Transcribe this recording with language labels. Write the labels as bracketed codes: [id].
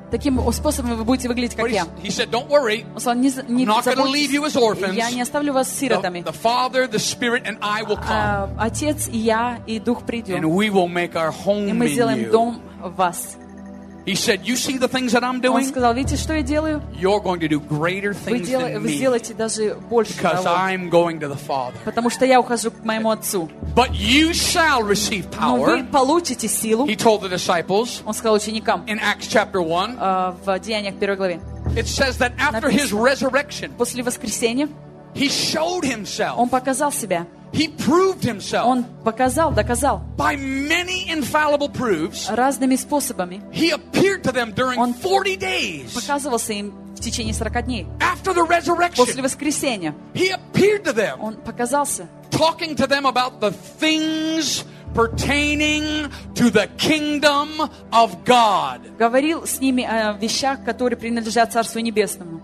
[ru] Таким способом вы будете выглядеть как я. [en] He said, "Don't worry. I'm not going to leave you as orphans. [ru] Я не оставлю вас сиротами. [en] The Father, the Spirit, and I will come. [ru] Отец, я и Дух придет. [en] And we will make our home in you. [ru] И мы сделаем дом в вас. [en] He said, "You see the things that I'm doing?" [ru] Он сказал: "Видите, что я делаю?" [en] You're going to do greater things than me. [ru] Вы сделаете даже больше того. [en] Because I'm going to the Father. [ru] Потому что я ухожу к моему отцу. [en] But you shall receive power. [ru] Но вы получите силу. [en] He told the disciples. [ru] Он сказал ученикам. [en] In Acts chapter 1. [ru] В Деяниях первой главе. [en] It says that after his resurrection. [ru] После воскресения. [en] He showed himself. [ru] Он показал себя. [en] He proved himself. [ru] Он показал, доказал. [en] By many infallible proofs. [ru] Разными способами. [en] He appeared to them during 40 days. [ru] Показывался им в течение 40 дней. [en] After the resurrection. [ru] После воскресения. [en] He appeared to them. [ru] Он показался. [en] Talking to them about the things pertaining to the kingdom of God. [ru] Говорил с ними о вещах, которые принадлежат Царству Небесному.